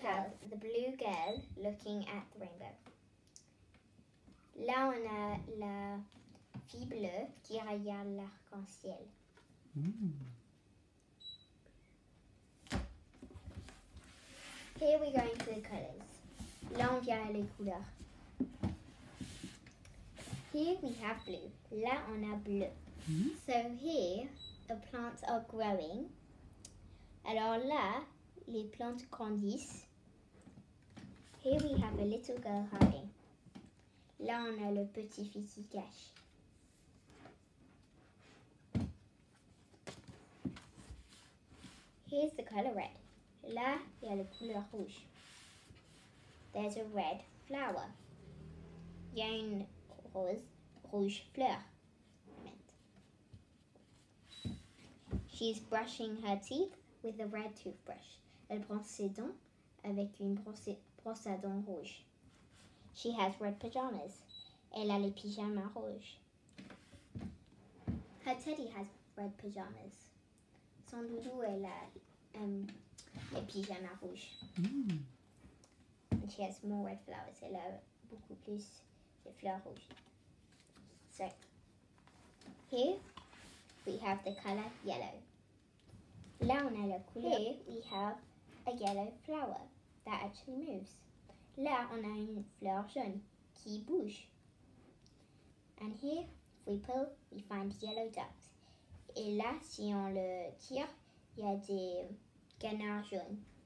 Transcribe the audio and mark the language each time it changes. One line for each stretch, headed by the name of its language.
English: Here we have the blue girl looking at the rainbow.
French: Là, on a la fille bleue qui regarde l'arc-en-ciel.
English: Here we go into the colors.
French: Là, on vient à les couleurs.
English: Here we have blue.
French: Là, on a bleu.
English: So here, the plants are growing.
French: Alors là, les plantes grandissent.
English: Here we have a little girl hiding.
French: Là, on a le petit fils qui cache.
English: Here's the color red.
French: Là, il y a la couleur rouge.
English: There's a red flower.
French: Il y a une rose, rouge fleur.
English: She's brushing her teeth with a red toothbrush.
French: Elle brosse ses dents avec une brosse à dents rouge.
English: She has red pajamas.
French: Elle a les pyjamas rouges.
English: Her teddy has red pajamas.
French: Son doudou, elle a les pyjamas rouges.
English: And she has more red flowers.
French: Elle a beaucoup plus de fleurs rouges.
English: So, here we have the color yellow.
French: Là, on a la couleur.
English: Here we have a yellow flower that actually moves.
French: Là, on a une fleur jaune qui bouge.
English: And here, if we pull, we find yellow ducks.
French: Et là, si on le tire, il y a des canards jaunes.